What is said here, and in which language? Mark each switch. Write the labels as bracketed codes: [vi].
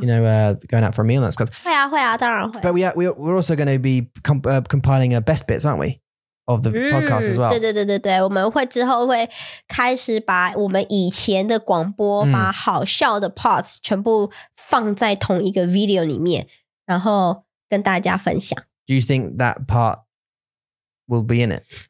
[en] You know, going out for a meal and that's good. [zh] 会啊会啊当然会。 [en] But we're also going to be compiling best bits, aren't we? Of the podcast as well. [zh] 对对对对对，我们会之后会开始把我们以前的广播把好笑的 parts 全部放在同一个 video 里面，然后跟大家分享。 [en] Do you think that part will be in it?